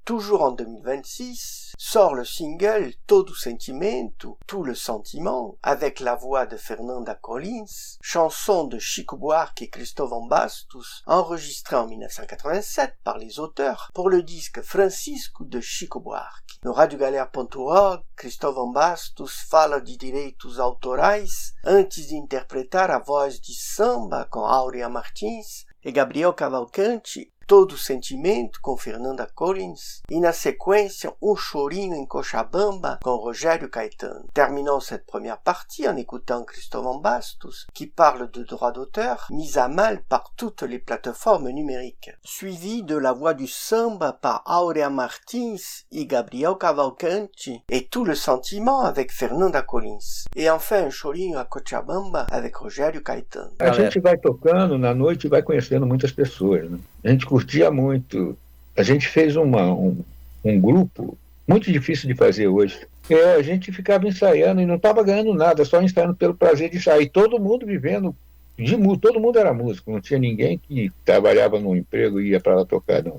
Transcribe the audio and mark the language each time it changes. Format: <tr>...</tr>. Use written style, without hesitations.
<fr>Toujours en 2026, sort le single Todo Sentimento, Tout le Sentiment, avec la voix de Fernanda Collins, chanson de Chico Buarque et Christophe Ambastos, enregistrée en 1987 par les auteurs pour le disque Francisco de Chico Buarque.</fr> <pt>No radiogalera.org, Christophe Ambastos fala de direitos autorais antes de interpretar a voz de samba com Aurea Martins e Gabriel Cavalcante, Todo Sentimento com Fernanda Collins e na sequência Chorinho em Cochabamba com Rogério Caetano.</pt> <fr>Terminons cette première partie en écoutant Christophe Ambastos qui parle de droits d'auteur mis à mal par toutes les plateformes numériques. Suivi de la voix du samba par Aurea Martins et Gabriel Cavalcante et Tout le Sentiment avec Fernanda Collins. Et enfin Chorinho à Cochabamba avec Rogério Caetano.</fr> <pt>A gente vai tocando na noite e vai conhecendo muitas pessoas, né? Curtia muito. A gente fez um grupo muito difícil de fazer hoje. É, a gente ficava ensaiando e não estava ganhando nada, só ensaiando pelo prazer de sair. Todo mundo vivendo de música. Todo mundo era músico. Não tinha ninguém que trabalhava num emprego e ia para lá tocar, não.</pt>